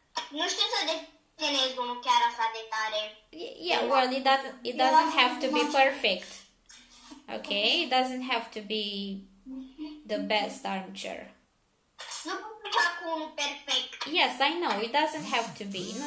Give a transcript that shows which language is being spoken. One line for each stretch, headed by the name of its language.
Romanian: Nu știu să desenez unul chiar așa de tare.
English: Yeah, well, it doesn't have to be perfect. Okay, it doesn't have to be the best armchair.
Romanian: Nu pot să fac unul perfect.
English: Yes, I know, it doesn't have to be.